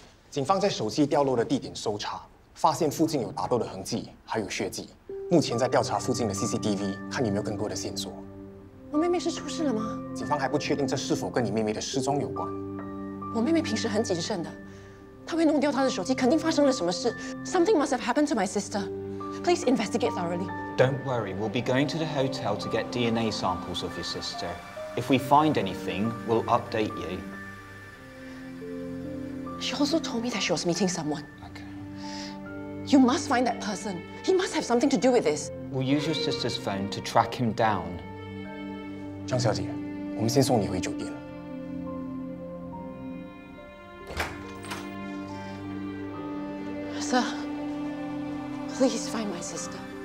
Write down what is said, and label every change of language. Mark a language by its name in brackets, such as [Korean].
[Chinese] 警方在手机掉落的地点搜查，发现附近有打斗的痕迹，还有血迹。目前在调查附近的 CCTV， 看有没有更多的线索。我妹妹是出事了吗？警方还不确定这是否跟你妹妹的失踪有关。我妹妹平时很谨慎的，她会弄丢她的手机，肯定发生了什么事。 [English] Something must have happened to my sister. Please investigate thoroughly. Don't worry, we'll be going to the hotel to get DNA samples of your sister. If we find anything, we'll update you. She also told me that she was meeting someone. Okay. You must find that person. He must have something to do with this. We'll use your sister's phone to track him down. [Chinese] 张小姐，我们先送你回酒店。 [English] Sir, please find my sister.